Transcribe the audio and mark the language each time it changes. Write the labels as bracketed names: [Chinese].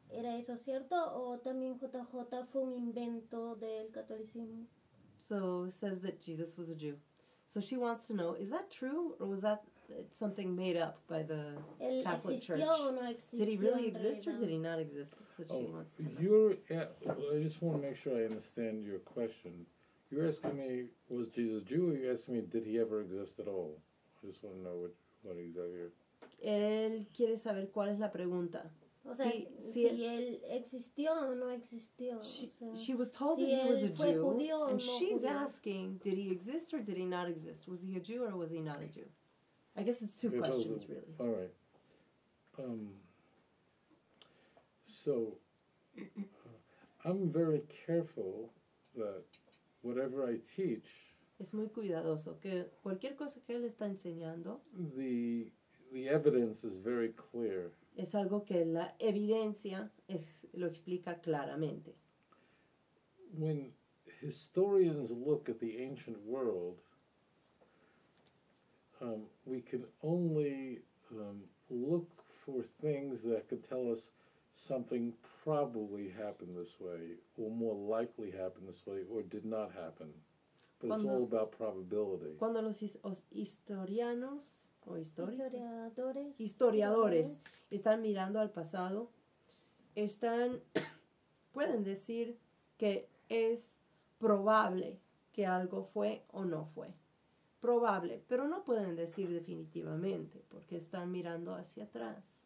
[Spanish] ¿Era eso cierto o también JJ fue un invento del catolicismo? [English] So says that Jesus was a Jew. So she wants to know, is that true or was that something made up by the [Spanish] el [English] Catholic Church? [Spanish] O no [English] did he really exist or did he not exist? That's what she wants to know. I just want to make sure I understand your question. You're asking me, was Jesus Jew, or you're asking me, did he ever exist at all? I just want to know what exactly. [Spanish] Él quiere saber cuál es la pregunta. O sea, si él existió o no existió. [English] She was told that he was a Jew, and she's asking, did he exist or did he not exist? Was he a Jew or was he not a Jew? I guess it's two questions, really. All right. I'm very careful that whatever I teach... [Spanish] Es muy cuidadoso, que cualquier cosa que él está enseñando... [English] The evidence is very clear. [Spanish] Es algo que la evidencia lo explica claramente. [English] When historians look at the ancient world, we can only look for things that could tell us something probably happened this way, or more likely happened this way, or did not happen. But it's all about probability. [Spanish] Cuando los historianos... O historiadores están mirando al pasado, pueden decir que es probable que algo fue o no fue. Probable, pero no pueden decir definitivamente porque están mirando hacia atrás.